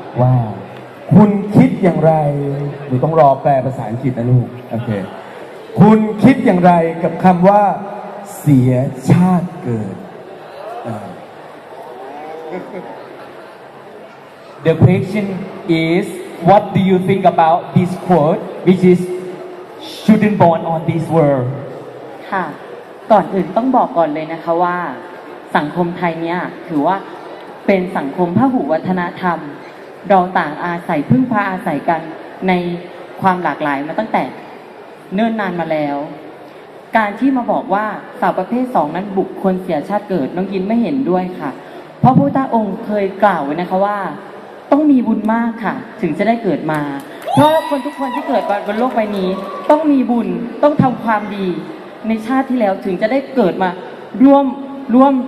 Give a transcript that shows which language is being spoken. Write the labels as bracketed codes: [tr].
[th] ว่าคุณคิดอย่างไรหนูต้องรอแปลภาษาอังกฤษนะลูกโอเคคุณคิดอย่างไรกับคำว่าเสียชาติเกิด [en] The question is what do you think about this quote which is shouldn't born on this world [th] ค่ะก่อนอื่นต้องบอกก่อนเลยนะคะว่าสังคมไทยเนี่ยถือว่าเป็นสังคมพหุวัฒนธรรมเราต่างอาศัยพึ่งพาอาศัยกันในความหลากหลายมาตั้งแต่เนิ่นนานมาแล้ว การที่มาบอกว่าสาวประเภท2นั้นบุคคลเสียชาติเกิดน้องยินไม่เห็นด้วยค่ะเพราะพระพุทธองค์เคยกล่าวไว้นะคะว่าต้องมีบุญมากค่ะถึงจะได้เกิดมาเพราะคนทุกคนที่เกิดมาบนโลกใบนี้ต้องมีบุญต้องทำความดีในชาติที่แล้วถึงจะได้เกิดมาร่